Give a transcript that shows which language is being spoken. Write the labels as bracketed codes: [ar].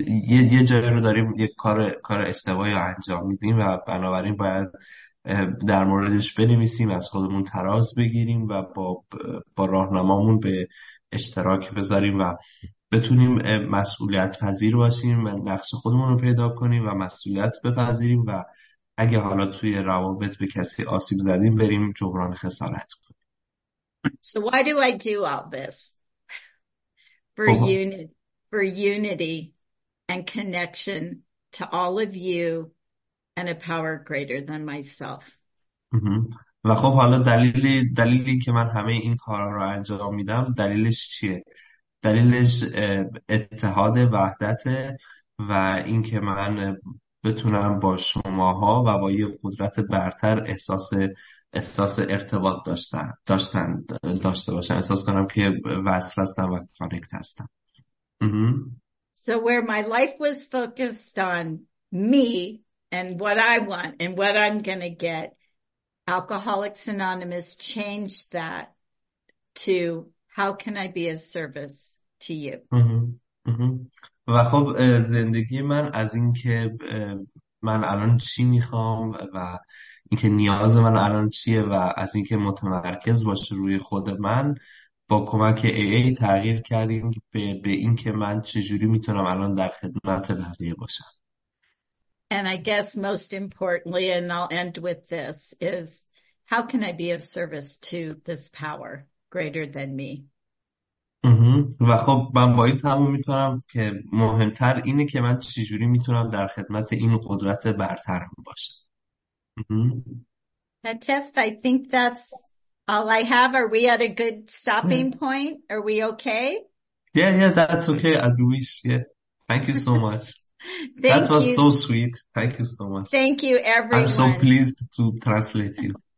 [fa] یه جایی رو داریم یک کار اشتباهی رو انجام میدیم و بنابراین باید در موردش بنویسیم، از خودمون تراز بگیریم و با راهنمامون به اشتراک بذاریم و بتونیم مسئولیت پذیر باشیم و نقش خودمون رو پیدا کنیم و مسئولیت بپذیریم و اگه حالا توی روابط به کسی آسیب زدیم بریم جبران خسارت کنیم. [en] So why do I do all this? For unity, for unity and connection to all of you and a power greater than myself. [fa] و خب حالا دلیلی که من همه این کارها رو انجام میدم دلیلش چیه؟ دلیلش اتحاد وحدت و اینکه من بتونم با شماها و با یه قدرت برتر احساس ارتباط داشته باشم، احساس کنم که وصل هستم و کانکت هستم. [en] So where my life was focused on me and what I want and what I'm going to get, Alcoholics Anonymous changed that to how can I be of service to you? [fa] و خب زندگی من از این که من الان چی میخوام و اینکه نیاز من الان چیه و از اینکه متمرکز باشه روی خود من با کمک AA تغییر کردیم به اینکه من چجوری میتونم الان در خدمت بقیه باشم. [en] And I guess most importantly, and I'll end with this, is how can I be of service to this power greater than me? [fa] و خب من با این تموم میتونم که مهمتر اینه که من چجوری میتونم در خدمت این قدرت برترم باشم. [en] Hatef, I think that's all I have. Are we at a good stopping point? Are we okay? Yeah, that's okay as you wish. Yeah. Thank you so much. Thank that was you. So sweet. Thank you so much. Thank you, everyone. I'm so pleased to translate you.